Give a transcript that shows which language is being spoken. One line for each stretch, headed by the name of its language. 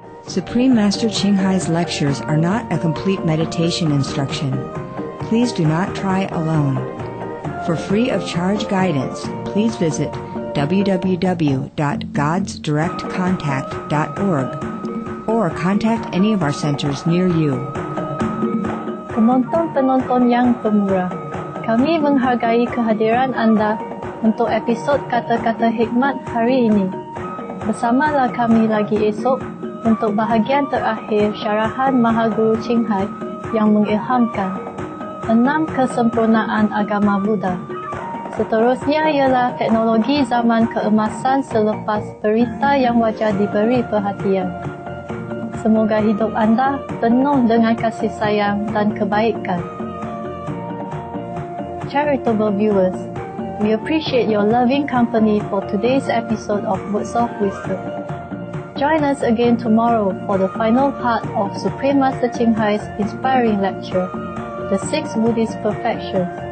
English: Supreme Master Qinghai's lectures are not a complete meditation instruction. Please do not try alone. For free of charge guidance, please visit www.godsdirectcontact.org or contact any of our centers near you.
Malay: Penonton-penonton yang pemurah, kami menghargai kehadiran Anda untuk episode Kata-Kata Hikmat hari ini. Bersamalah kami lagi esok untuk bahagian terakhir syarahan Mahaguru Qinghai yang mengilhamkan 6 kesempurnaan agama Buddha. Seterusnya ialah teknologi zaman keemasan selepas berita yang wajar diberi perhatian. Semoga hidup anda penuh dengan kasih sayang dan kebaikan.
English: Charitable viewers, we appreciate your loving company for today's episode of Words of Wisdom. Join us again tomorrow for the final part of Supreme Master Qinghai's inspiring lecture, The Six Buddhist Perfections.